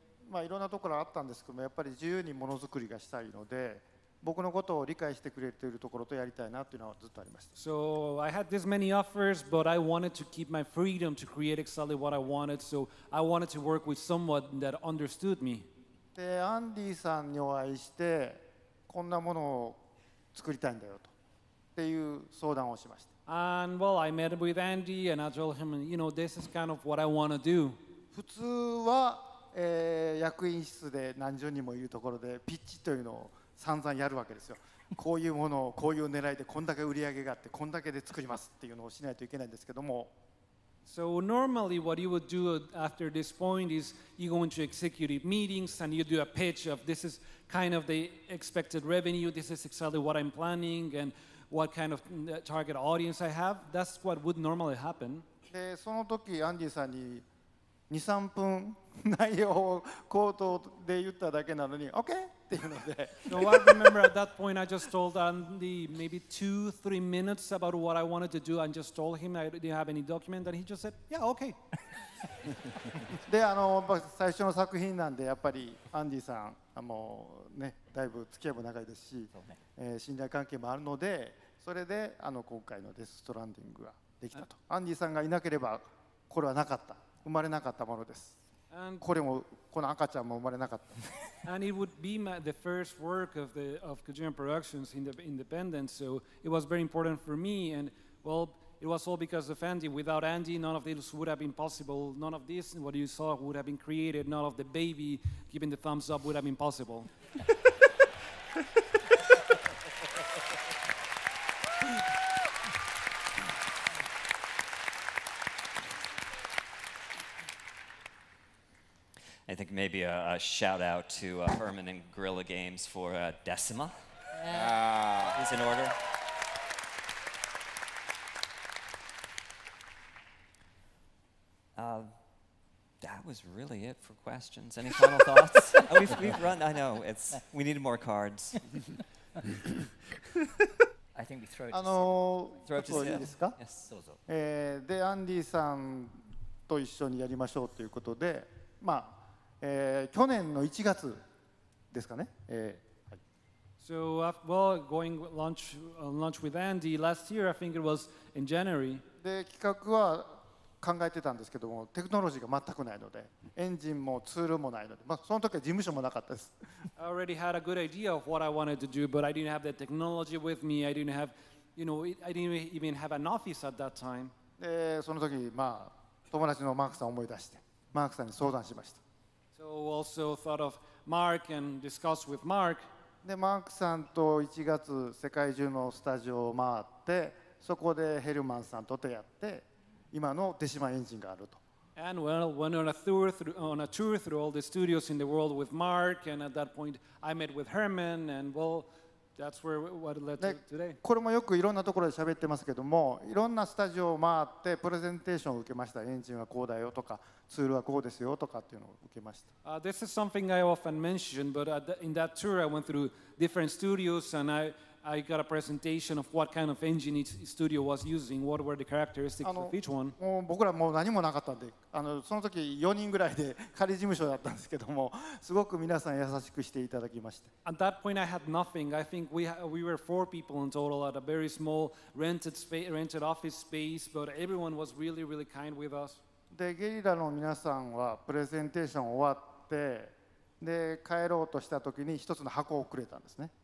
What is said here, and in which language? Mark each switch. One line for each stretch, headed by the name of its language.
English: So I had this many offers, but I wanted to keep my freedom to create exactly what I wanted. So I wanted to work with someone that understood me.
Japanese: で、アンディさんにお会いしてこんなものを作りたいんだよとっていう相談をしました。
English: And well, I met up with Andy and I told him, you know, this is kind of what I want to do.
Japanese: 普通は、役員室で何十人もいるところでピッチというのを散々やるわけですよ。こういうものをこういう狙いでこんだけ売り上げがあってこんだけで作りますっていうのをしないといけないんですけども。
English: So normally what you would do after this point is you go into executive meetings and you do a pitch of this is kind of the expected revenue, this is exactly what I'm planning and what kind of target audience I have. That's what would normally happen.
Japanese: で、その時アンディさんに 2,3 分内容を口頭で言っただけなのに OK っていうので。
English: So I remember at that point I just told Andy maybe 2-3 minutes about what I wanted to do and just told him I didn't have any document and he just said, yeah, OK.
Japanese: で、最初の作品なんでやっぱりアンディさんもうね、だいぶ付き合いも長いですし、ね、信頼関係もあるのでそれで今回のデスストランディングができたと。アンディさんがいなければこれはなかった、生まれなかったものです。これもこの赤ちゃんも生まれなかった。
English: And it would be my, the first work of the of Kojima Productions in the independence, so it was very important for me. And well, it was all because of Andy. Without Andy, none of this would have been possible. None of this, what you saw, would have been created. None of the baby giving the thumbs up would have been possible. I think maybe a shout out to Herman and Gorilla Games for Decima. Yeah. Is in order. That was really it for questions. Any final thoughts? Oh, we've run. I know it's. We needed more cards. I think we throw it. Throw it to him. Yes, so so.
Japanese: で、アンディさんと一緒にやりましょうということで、まあ。去年の1月ですかね。はい、
English: so well, going lunch lunch with Andy last year, I think it was in January.
Japanese: で企画は考えてたんですけども、テクノロジーが全くないので、エンジンもツールもないので、まあその時は事務所もなかったです。
English: I already had a good idea of what I wanted to do, but I didn't have the technology with me. I didn't have, you know, I didn't even have an office at that time.
Japanese: でその時まあ友達のマークさんを思い出して、マークさんに相談しました。
English: So also thought of Mark and discussed with Mark.
Japanese: で、マークさんと1月世界中のスタジオを回って、そこでヘルマンさんと出会って、今のデシマエンジンがあると。
English: And well, went on a tour through all the studios in the world with Mark, and at that point I met with Herman, and well, that's where what led to today.
Japanese: これもよくいろんなところで喋ってますけども、いろんなスタジオを回ってプレゼンテーションを受けました。エンジンはこうだよとか。ツールはこうですよとかっていうのを受けました。
English: This is something I often mention, but in that tour I went through different studios and I got a presentation of what kind of engine each studio was using, what were the characteristics of each one.
Japanese: もう僕らもう何もなかったんで、その時4人ぐらいで仮事務所だったんですけども、すごく皆さん優しくしていただきました。
English: At that point I had nothing. I think we were four people in total at a very small rented office space, but everyone was really, really kind with us.
Japanese: でゲリラの皆さんはプレゼンテーション終わってで帰ろうとした時に一つの箱をくれたんですね。